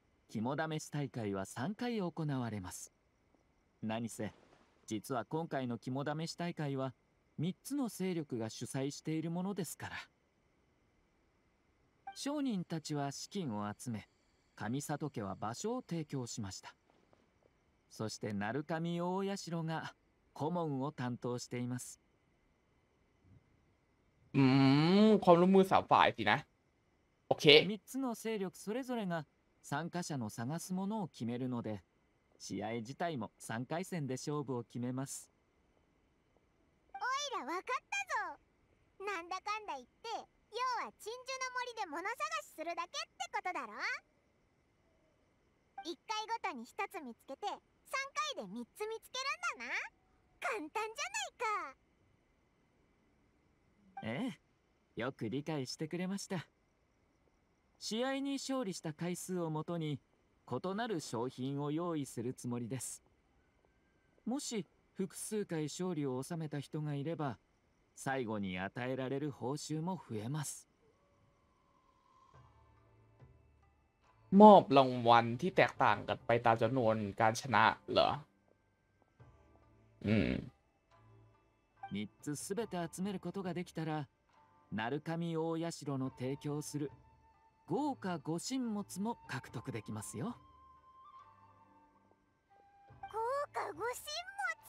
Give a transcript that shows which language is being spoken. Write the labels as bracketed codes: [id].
[ja] 肝試し大会は3回行われます。何せ、実は今回の肝試し大会は3つの勢力が主催しているものですから。商人たちは資金を集め、神里家は場所を提供しました。そして鳴神大社が、顧問を担当しています。 [th] ความร่วมมือสามฝ่ายสินะโอเค [ja] 3つの勢力それぞれが参加者の探すものを決めるので試合自体も3回戦で勝負を決めます。オイラ分かったぞ。なんだかんだ言って要は鎮守の森で物探しするだけってことだろ。 1回ごとに1つ見つけて3回で3つ見つけるんだな。簡単じゃないか。ええ、よく理解してくれました。試合に勝利した回数をもとに、異なる商品を用意するつもりです。もし、複数回勝利を収めた人がいれば、最後に与えられる報酬も増えます。 [th] มอบรางวัลที่แตกต่างกันไปตามจำนวนการชนะเหรอ [ja] 3つすべて集めることができたら、鳴神大社の提供する豪華御神物も獲得できますよ。豪華御神物。